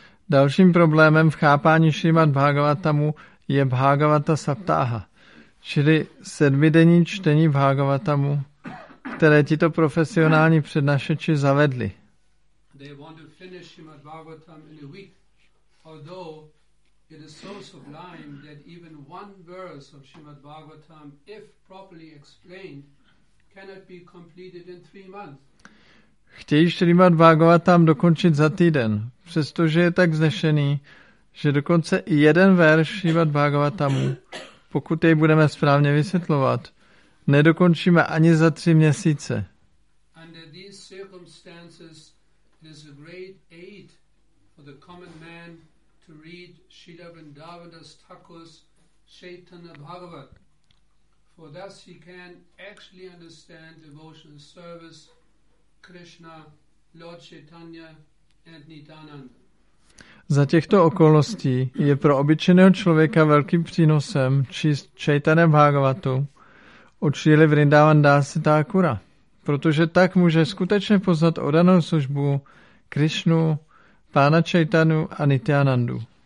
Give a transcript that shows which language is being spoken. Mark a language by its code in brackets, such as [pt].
[cs] Dalším problémem v chápání Srimad Bhagavatamu je Bhagavata Saptaha, čili sedmidenní čtení Bhagavatamu, které tito profesionální přednášeči zavedli. [en] They want to finish Srimad Bhagavatam in a week, although it is so sublime that even one verse of Srimad Bhagavatam, if properly explained, cannot be completed in 3 months. [cs] Chtějí Srimad Bhagavatam dokončit za týden, přestože je tak vznešený, že dokonce i jeden verš Srimad Bhagavatamu, pokud jej budeme správně vysvětlovat, nedokončíme ani za 3 měsíce. [en] Under these circumstances, it is a great aid for the common man to read Srila Vrindavana's Thakur's Chaitanya Bhagavat, for thus he can actually understand devotional service Krishna, Lord Chaitanya and Nityananda. [cs] Za těchto okolností je pro obyčejného člověka velkým přínosem číst Chaitanya Bhagavatu od Srily Vrindavan Dasa Thakura, protože tak může skutečně poznat odanou službu Krishnu, pána Chaitanyu a Nityanandu.